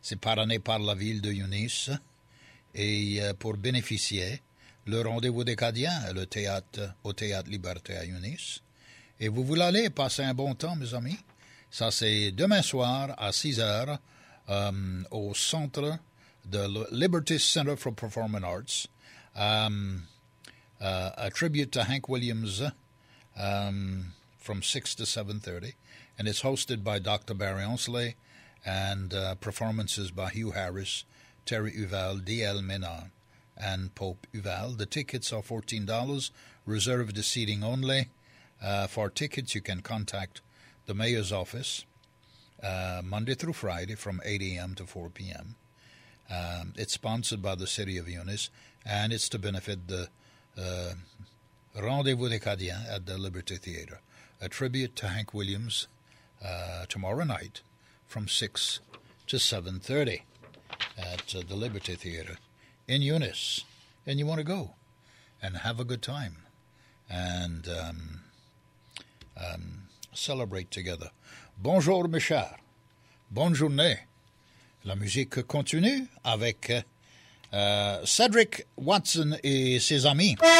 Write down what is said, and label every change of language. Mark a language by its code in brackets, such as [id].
[fr] C'est parrainé par la ville de Yunis. Et pour bénéficier, le rendez-vous des Cadiens au Théâtre Liberté à Yunis. Et vous voulez aller passer un bon temps, mes amis? Ça, c'est demain soir à 6 heures au centre de Liberty Center for Performing Arts. [en] A tribute to Hank Williams from 6 to 7:30, and it's hosted by Dr. Barry Onseley and performances by Hugh Harris, Terry Uval, D.L. Menard, and Pope Uval. The tickets are $14, reserved seating only. For tickets, you can contact the mayor's office Monday through Friday from 8 a.m. to 4 p.m. It's sponsored by the City of Yunis, and it's to benefit the Rendez-vous des Cadiens at the Liberty Theater. A tribute to Hank Williams tomorrow night from 6 to 7:30 at the Liberty Theater in Yunis. And you want to go and have a good time and celebrate together. [fr] Bonjour, mes chers. Bonne journée. La musique continue avec Cedric Watson et ses amis.